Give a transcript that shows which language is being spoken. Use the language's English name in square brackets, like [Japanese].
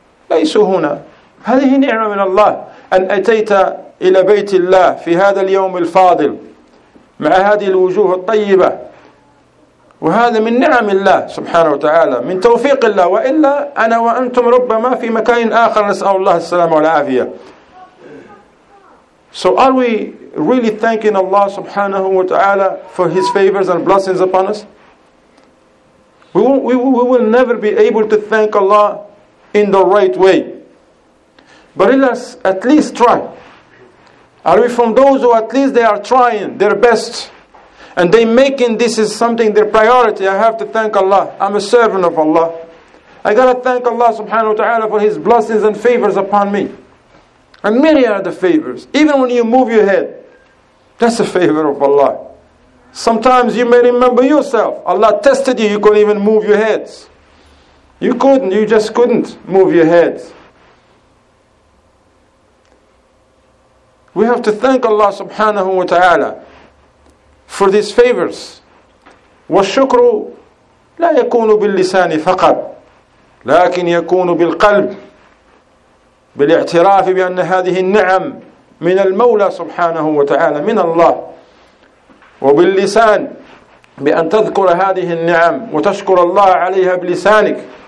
[Arabic] ليسوا هنا، هذه نعمة من الله أن أتيت إلى بيت الله في هذا اليوم الفاضل مع هذه الوجوه الطيبة، وهذا من نعم الله سبحانه وتعالى، من توفيق الله، وإلا أنا وأنتم ربما في مكان آخر، نسأل الله السلامة والعافية. [English] So are we really thanking Allah سبحانه وتعالى for His favors and blessings upon us? We will never be able to thank Allah in the right way. But let's at least try. Are we from those who at least they are trying their best and they making this is something their priority? I have to thank Allah. I'm a servant of Allah. I gotta thank Allah subhanahu wa ta'ala for His blessings and favors upon me. And many are the favors. Even when you move your head, that's a favor of Allah. Sometimes you may remember yourself. Allah tested you. You couldn't even move your heads. You couldn't. You just couldn't move your head. We have to thank Allah subhanahu wa ta'ala for these favors. [Arabic] وَالشُّكْرُ لَا يَكُونُ بِاللِّسَانِ فَقَدْ لَكِنْ يَكُونُ بِالْقَلْبِ بِالْاِعْتِرَافِ بِأَنَّ هَذِهِ النِّعَمْ مِنَ الْمَوْلَى سُبْحَانَهُ وَتَعَالَى مِنَ اللَّهِ وَبِاللِّسَانِ بِأَنْ تَذْكُرَ هَذِهِ النِّعَمْ وَتَشْكُرَ اللَّهَ عَلَيْهَا بِلِسَانِكَ